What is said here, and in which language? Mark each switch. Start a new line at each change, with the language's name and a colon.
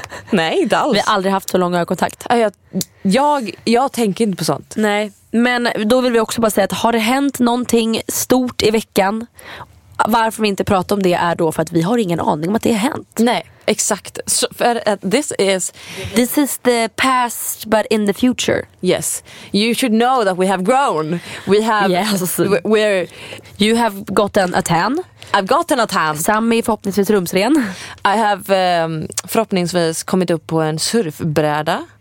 Swedish: Nej, inte alls. Vi har aldrig haft så lång ögonkontakt. Jag tänker inte på sånt. Nej, men då vill vi också bara säga att har det hänt någonting stort i veckan? Varför vi inte pratar om det är då för att vi har ingen aning om att det har hänt. Nej, exakt.
English: So, for, this is the past but in the future. Yes. You should know that we have grown. We have... Yes. We're... You have gotten a tan. I've gotten a tan.
Swedish: Sammy är förhoppningsvis rumsren.
English: I have
Swedish: förhoppningsvis kommit upp på en surfbräda.